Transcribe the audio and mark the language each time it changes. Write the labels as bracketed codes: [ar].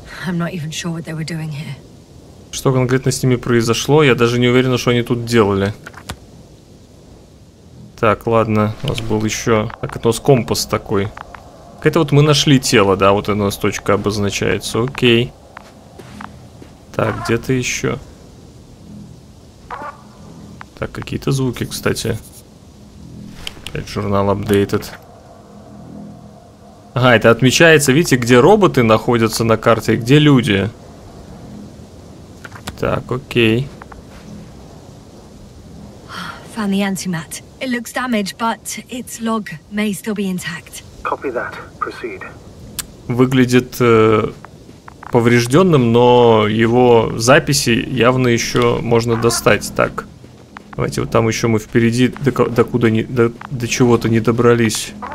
[en] I'm not even sure what they were doing here. [ru] Что конкретно с ними произошло? Я даже не уверена, что они тут делали. Так, ладно, у нас был еще окно с компас такой. Это вот мы нашли тело, да, вот эта у нас точка обозначается, окей. Так, где-то еще. Так, какие-то звуки, кстати. Опять журнал updated. Ага, это отмечается, видите, где роботы находятся на карте, где люди. Так, окей. [en] Found the antimat. It looks damaged, but its log may still be intact. Copy that. Proceed. [ru] Выглядит поврежденным, но его записи явно еще можно достать. Так, давайте вот там еще мы впереди до чего-то не добрались.